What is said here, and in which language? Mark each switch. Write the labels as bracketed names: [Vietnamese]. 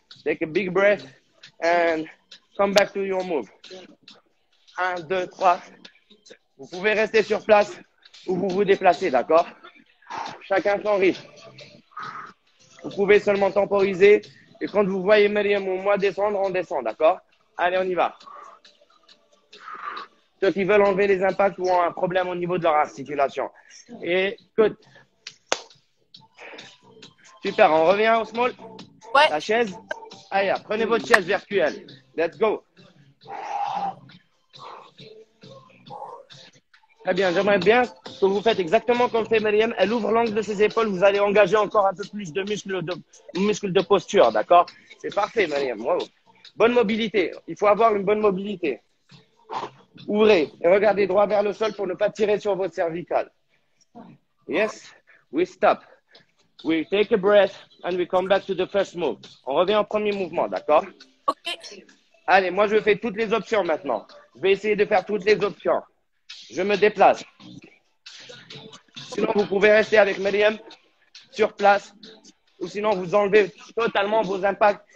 [English] Take a big breath and come back to your move. [French] Un, deux, trois. Vous pouvez rester sur place ou vous vous déplacez, d'accord? Chacun son rythme. Vous pouvez seulement temporiser. Et quand vous voyez Myriam ou moi descendre, on descend, d'accord? Allez, on y va. Ceux qui veulent enlever les impacts ou ont un problème au niveau de leur articulation. [English] Et good. [French] Super, on revient au small. Ouais. La chaise. Allez, prenez votre chaise virtuelle. [English] Let's go. [French] Très bien, j'aimerais bien que vous faites exactement comme fait Myriam. Elle ouvre l'angle de ses épaules. Vous allez engager encore un peu plus de muscles de posture, d'accord? C'est parfait, Myriam. Bravo. Bonne mobilité. Il faut avoir une bonne mobilité. Ouvrez et regardez droit vers le sol pour ne pas tirer sur votre cervicale. [English] Yes, we stop. We take a breath and we come back to the first move. [French] On revient au premier mouvement, d'accord? Ok. Allez, moi, je fais toutes les options maintenant. Je vais essayer de faire toutes les options. Je me déplace. Sinon, vous pouvez rester avec Myriam sur place ou sinon, vous enlevez totalement vos impacts.